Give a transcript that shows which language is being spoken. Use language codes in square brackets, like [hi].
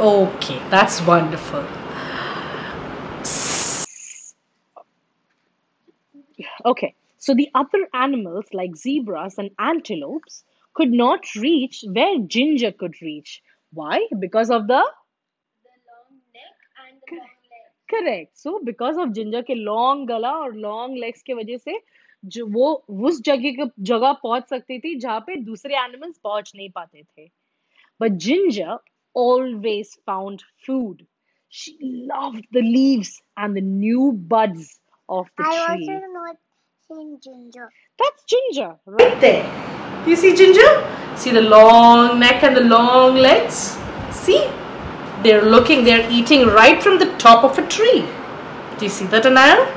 [en] Okay, that's wonderful. Okay, so the other animals like zebras and antelopes could not reach where Ginger could reach. Why? Because of the long neck and the long legs. Correct. [hi] So because of ginger के long गला और long legs के वजह से जो वो उस जगह पहुंच सकती थी जहां पे दूसरे एनिमल्स पहुंच नहीं पाते थे. [en] But Ginger always found food. She loved the leaves and the new buds of the tree. I also not seen ginger. That's ginger, right there. You see ginger? See the long neck and the long legs? See? They're looking, they're eating right from the top of a tree. Do you see that, Anaya?